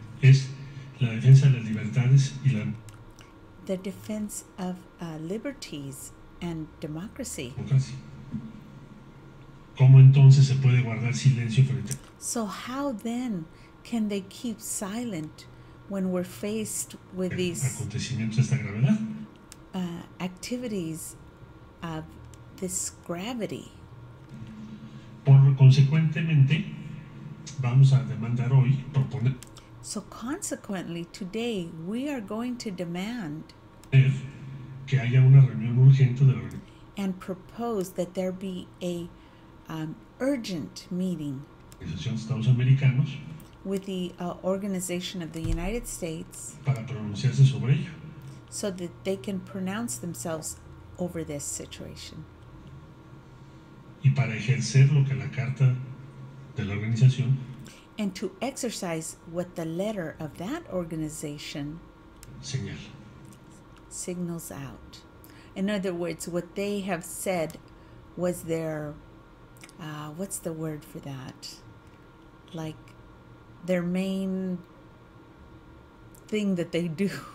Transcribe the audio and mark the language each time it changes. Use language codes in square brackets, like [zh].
[es] es la defensa de las libertades y la, [en] the defense of liberties and democracy. [es] ¿Cómo entonces se puede guardar silencio frente? [en] So how then can they keep silent when we're faced with these [es] acontecimientos de esta gravedad? [en] Activities of this gravity. [es] Por consecuentemente, vamos a demandar hoy, proponer. [en] So consequently, today we are going to demand [es] que haya una reunión urgente de la organización. [en] And propose that there be a urgent meeting [es] de Estados Americanos [en] with the organization of the United States [es] para pronunciarse sobre ello, [en] so that they can pronounce themselves over this situation. [es] Y para ejercer lo que la carta de la organización, [en] and to exercise what the letter of that organization [es] señala, [en] signals out. In other words, what they have said was their, what's the word for that? Like their main thing that they do.